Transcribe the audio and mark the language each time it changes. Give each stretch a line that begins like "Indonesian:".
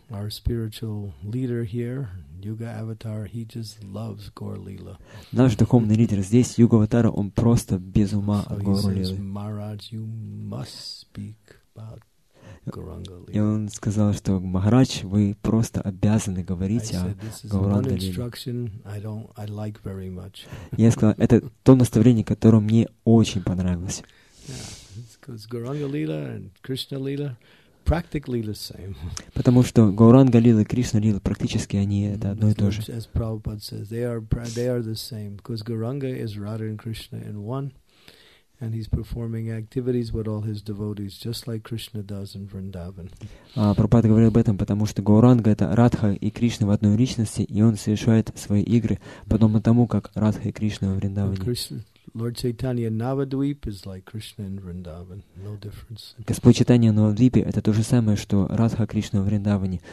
English: Our spiritual leader here, Yuga Avatar, he just loves Gaur-lila.
Russian: Наш духовный лидер здесь, Юга Аватара, он просто без ума от Гаур-лилы.
English: So he says, Maharaj, you must speak about Gauranga-lila.
Russian: И он сказал, что Махарадж, вы просто обязаны говорить о Гауранга-лиле.
English: I like
Russian: я сказал, это то наставление, которое мне очень понравилось.
English: Yeah, because Gauranga Lila and Krishna Lila practically the same.
Russian: Потому что Гауранга Лила и Кришна Лила практически они это одно и то же.
English: As Prabhupada says, they are the same because Gauranga is Radha and Krishna in one, and he's performing activities with all his devotees just like Krishna does in Vrindavan.
Russian: Прабхупада говорил об этом, потому что Гауранга это Радха и Кришна в одной личности, и он совершает свои игры подобно тому, как Радха и Кришна во Вриндаване.
English: Lord Chaitanya Navadvip is like Krishna in Vrindavan. No difference.
Russian: Господь Чайтанья Навадвипе это то же самое, что Радха Кришна во Вриндаване.